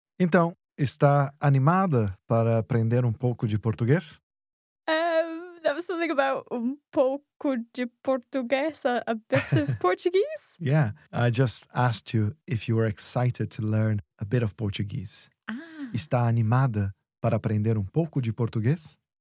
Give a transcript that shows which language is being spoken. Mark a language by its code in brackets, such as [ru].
[pt] Então, está animada para aprender um pouco de português? [en] That was something about [pt] um pouco de português, [en] a bit of Portuguese? Yeah, I just asked you if you were excited to learn a bit of Portuguese. Ah. [pt] Está animada para aprender um pouco de português?